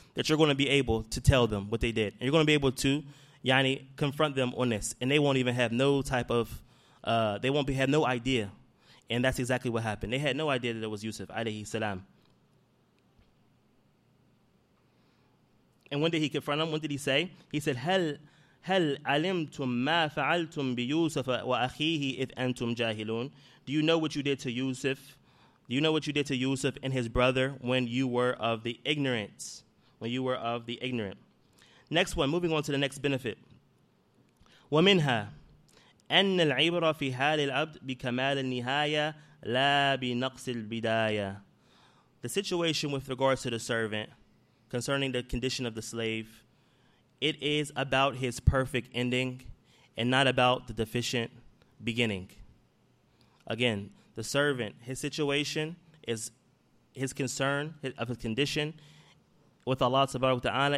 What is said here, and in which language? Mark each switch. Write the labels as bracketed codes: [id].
[en] That you're going to be able to tell them what they did. And you're going to be able to, yani, confront them on this. And they won't even have no type of, they won't be, have no idea. And that's exactly what happened. They had no idea that it was Yusuf, alayhi salam. And when did he confront him? When did he say? He said, [ar] هل علمتم ما فعلتم بيوسف وأخيه إذ أنتم جاهلون. [en] Do you know what you did to Yusuf? Do you know what you did to Yusuf and his brother when you were of the ignorant? When you were of the ignorant. Next one, moving on to the next benefit. [ar] ومنها أن العبرة في حال العبد بكمال النهاية لا بنقص البداية. [en] The situation with regards to the servant concerning the condition of the slave, it is about his perfect ending and not about the deficient beginning. Again, the servant, his situation is his concern of his condition with Allah subhanahu wa ta'ala.